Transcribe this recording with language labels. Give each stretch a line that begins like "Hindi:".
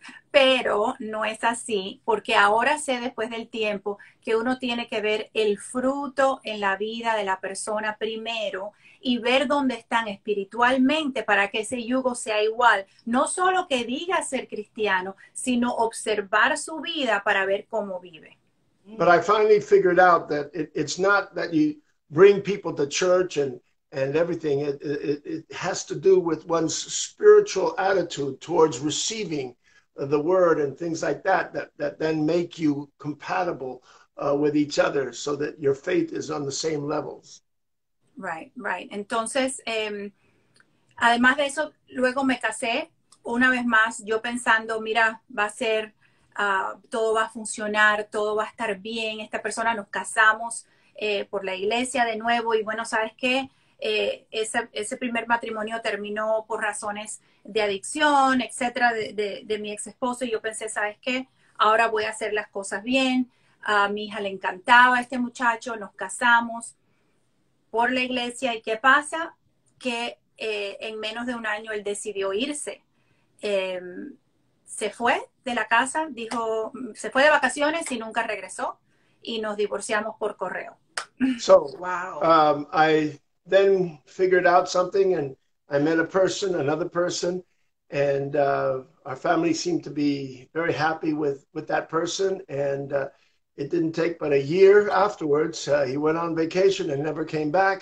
Spanish: Pero no es así, porque ahora sé después del tiempo que uno tiene que ver el fruto en la vida de la persona primero y ver dónde están espiritualmente para que ese yugo sea igual. No solo que diga ser cristiano, sino observar su vida para ver cómo vive.
English: But I finally figured out that it's not that you bring people to church and everything. It has to do with one's spiritual attitude towards receiving the word and things like that then make you compatible with each other so that your faith is on the same levels. Right.
Spanish: Entonces, además de eso, luego me casé una vez más, yo pensando, mira, va a ser, todo va a funcionar, todo va a estar bien, esta persona nos casamos por la iglesia de nuevo y bueno, ¿sabes qué? Ese primer matrimonio terminó por razones de adicción, etcétera, de mi ex esposo y yo pensé, ¿sabes qué? Ahora voy a hacer las cosas bien, a mi hija le encantaba este muchacho, nos casamos por la iglesia, ¿y qué pasa? Que en menos de un año él decidió irse. Se fue de la casa, dijo, se fue de vacaciones y nunca regresó, y nos divorciamos por correo.
English: So, Wow. I then figured out something and I met a person, another person, and our family seemed to be very happy with that person. And it didn't take but a year afterwards. He went on vacation and never came back.